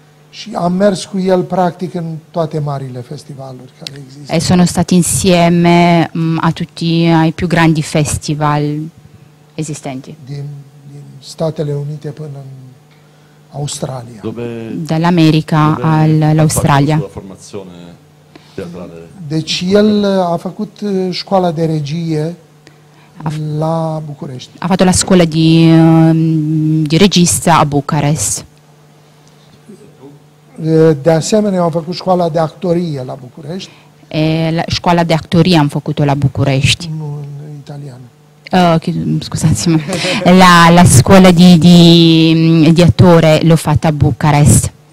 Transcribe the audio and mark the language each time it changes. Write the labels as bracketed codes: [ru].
[ro] Și am mers cu el practic în toate marile festivaluri care există. [it] E sono stati insieme a tutti ai più grandi festival esistenti. [ro] Din Statele Unite până în Australia. [it] Dall'America all'Australia. La formazione teatrale. [ro] Deci el a făcut școala de regie la București. [it] Ha fatto la scuola di regista a Bucarest. [ro] De asemenea, am făcut școala de actorie la București. E la școala de actorie am făcut-o la București. Nu, în italiană. Scuzați-mă. [it] La scuola di attore l'ho fatta a Bucarest.